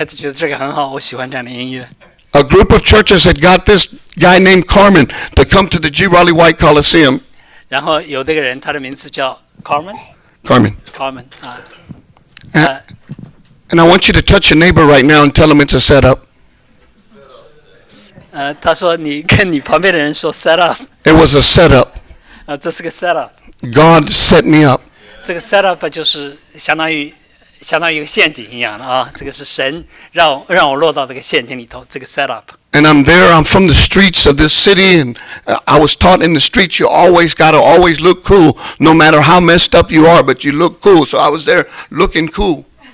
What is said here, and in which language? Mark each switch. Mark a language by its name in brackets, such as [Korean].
[Chinese] 他喜欢这样的音乐，所以哎，觉得这个很好，我喜欢这样的音乐。 [English] A group of churches had got this guy named Carmen to come to the G. Raleigh White Coliseum. [Chinese] 然后有这个人，他的名字叫Carmen? [English] Carmen. Carmen. And I want you to touch your neighbor right now and tell him it's a setup. [Chinese] 他说你跟你旁边的人说setup. [English] It was a setup. [Chinese] 这是个setup. [English] God set me up. [Chinese] 这个setup就是相当于 相当于一个陷阱一样的啊，这个是神让我落到这个陷阱里头，这个 setup。 [English] And I'm there, I'm from the streets of this city, and I was taught in the streets, you always got to always look cool, no matter how messed up you are, but you look cool. So I was there looking cool.